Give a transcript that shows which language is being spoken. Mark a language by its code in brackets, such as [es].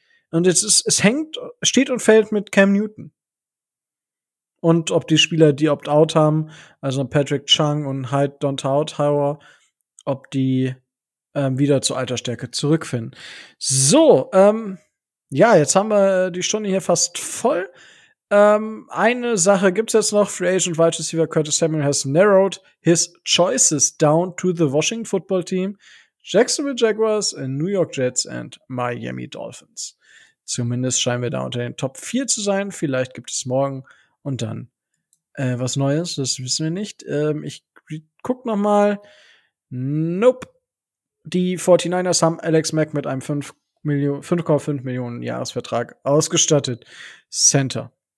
[de] Und steht und fällt mit Cam Newton. Und ob die Spieler, die Opt-out haben, also Patrick Chung und Hyde Dontautower, ob die wieder zu alter Stärke zurückfinden. So, ja, jetzt haben wir die Stunde hier fast voll. Eine Sache gibt's jetzt noch. [en] Free Agent Wide Receiver Curtis Samuel has narrowed his choices down to the Washington Football Team, Jacksonville Jaguars, New York Jets and Miami Dolphins. [de] Zumindest scheinen wir da unter den Top 4 zu sein. Vielleicht gibt es morgen und dann was Neues. Das wissen wir nicht. Ich guck noch mal. Nope. Die 49ers haben Alex Mack mit einem 5,5 Millionen Jahresvertrag ausgestattet. Center.